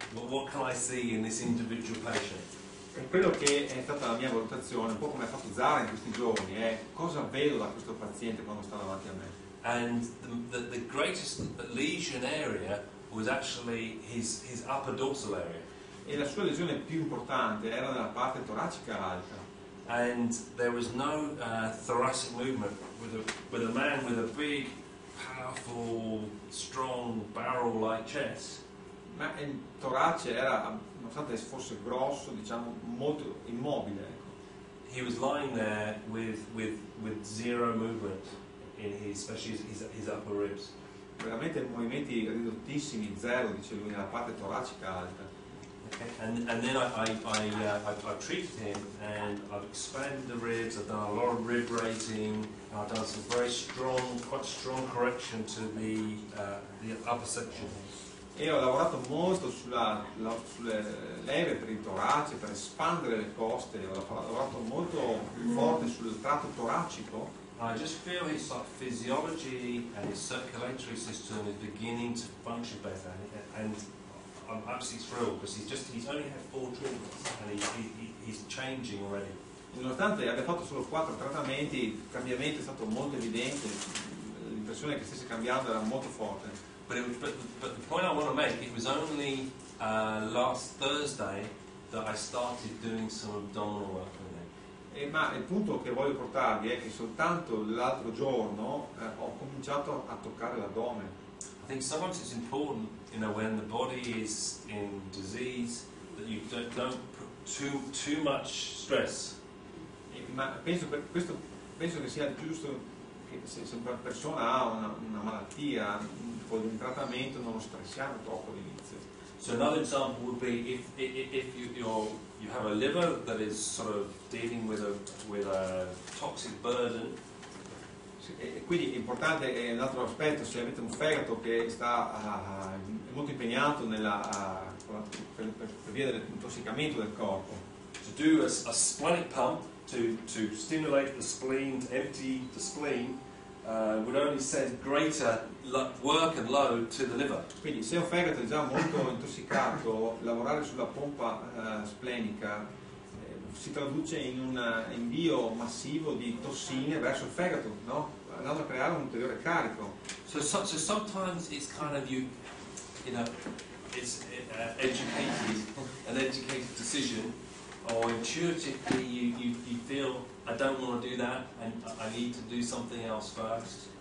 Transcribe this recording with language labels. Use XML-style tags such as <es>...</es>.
<en>What can I see in this individual patient?</en> <it>E quello che è stata la mia valutazione, un po' come ha fatto Zara in questi giorni, è cosa vedo da questo paziente quando sta davanti a me.</it> <en>And the greatest lesion area was actually his upper dorsal area.</en> <it>E la sua lesione più importante era nella parte toracica alta.</it> <en>And there was no thoracic movement with a man with a big, powerful, strong, barrel-like chest.</en> <it>Ma il torace era, nonostante fosse grosso, diciamo, molto immobile. Ecco.</it> <en>He was lying there with zero movement in his, especially his upper ribs.</en> <it>Veramente movimenti ridottissimi, zero, dice lui, nella parte toracica alta.</it> <en>And then I treated him and I've expanded the ribs. I've done a lot of rib raising. And I've done some very strong, quite strong correction to the upper section.</en> <it>E ho lavorato molto sulle leve per il torace, per espandere le coste. Ho lavorato molto forte sul tratto toracico.</it> <en>I just feel his physiology and his circulatory system is beginning to function better. And I'm absolutely thrilled because he's only had four treatments and he's changing already.</en> <it>Nonostante abbia fatto solo quattro trattamenti, il cambiamento è stato molto evidente. L'impressione che stesse cambiando era molto forte.</it> <en>But the point I want to make, it was only last Thursday that I started doing some abdominal work with him.</en> <it>Ma il punto che voglio portarvi è che soltanto l'altro giorno ho cominciato a toccare l'addome.</it> <en>I think sometimes it's important, you know, when the body is in disease, that you don't put too much stress.</en> <it>Ma penso che sia giusto che se una persona ha una malattia, con un trattamento non lo stressiamo troppo all'inizio.</it> <en>So another example would be if you have a liver that is sort of dealing with a toxic burden.</en> <it>E quindi importante è un altro aspetto, se avete un fegato che sta molto impegnato per via dell'intossicamento del corpo.</it> <en>To do a splenic pump to stimulate the spleen, to empty the spleen, would only send greater work and load to the liver.</en> <it>Quindi se un fegato è già molto intossicato, lavorare sulla pompa splenica si traduce in un invio massivo di tossine verso il fegato, no? Andando a creare un ulteriore carico.</it> <en>So sometimes it's kind of an educated decision, or intuitively you feel I don't want to do that and I need to do something else first.</en>